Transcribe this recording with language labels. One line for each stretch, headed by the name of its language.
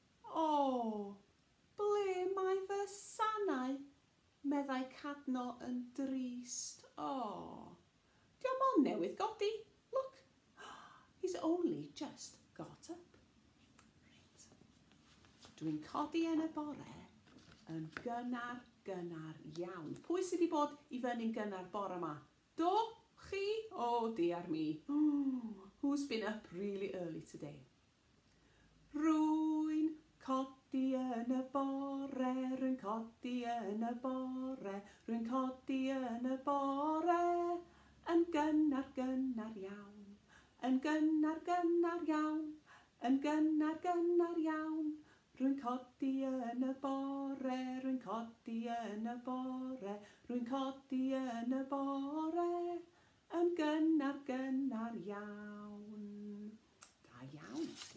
Welsh: Oh, ble mae fy sanau? Meddai Cadno yn drist. Oh, diom ond newydd godi.
English: Look, he's only just got up. Right.
Welsh: Dwi'n codi yn y bore yn gynnar, gynnar iawn. Pwy sydd wedi bod I fyny'n gynnar bore yma? Do? Chi?
English: Oh dear me. Who's been up really early today?
Welsh: Rwy'n codi yn y bore, rwy'n codi yn y bore, rwy'n codi yn y bore, yn gynnar gynnar iawn, yn gynnar gynnar iawn, yn gynnar gynnar iawn, rwy'n codi yn y bore, rwy'n codi yn y bore, rwy'n codi yn y bore, yn gynnar gynnar iawn. Da iawn.